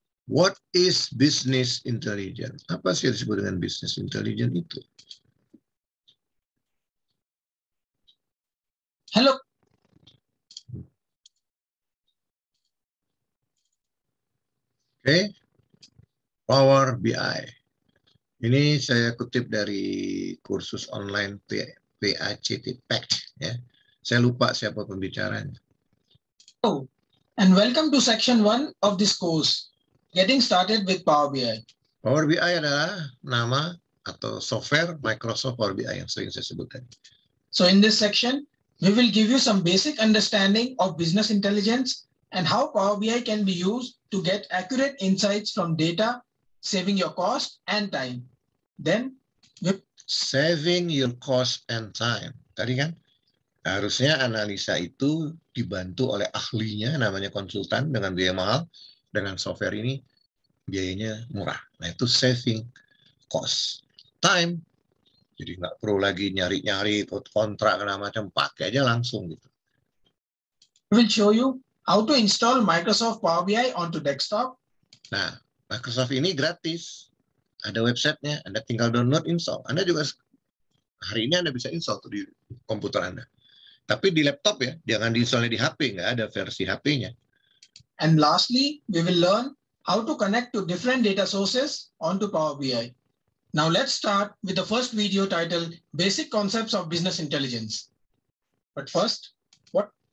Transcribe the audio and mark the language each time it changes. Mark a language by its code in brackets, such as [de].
[en] What is business intelligence? [id] Apa sih yang disebut dengan business intelligence itu? Halo. Oke. Power BI. Ini saya kutip dari kursus online PACT PACT. Ya. Saya lupa siapa pembicaranya. [en] Oh, and welcome to section 1 of this course. Getting started with Power BI. [id] Power BI adalah nama atau software Microsoft Power BI yang sering saya sebutkan. [en] So in this section, we will give you some basic understanding of business intelligence and how Power BI can be used to get accurate insights from data, saving your cost and time. Then, saving your cost and time. [id] Tadi kan harusnya analisa itu dibantu oleh ahlinya, namanya konsultan dengan biaya mahal. Dengan software ini biayanya murah. Nah itu saving cost. Time, jadi nggak perlu lagi nyari-nyari kontrak, kena macam, pakai aja langsung gitu. [en] We will show you how to install Microsoft Power BI onto desktop. [id] Nah, Microsoft ini gratis. Ada websitenya, Anda tinggal download, install. Anda juga hari ini Anda bisa install tuh di komputer Anda. Tapi di laptop ya, jangan diinstalnya di HP, nggak ada versi HP-nya. [en] And lastly, we will learn how to connect to different data sources onto Power BI. Now let's start with the first video titled Basic Concepts of Business Intelligence. But first, what?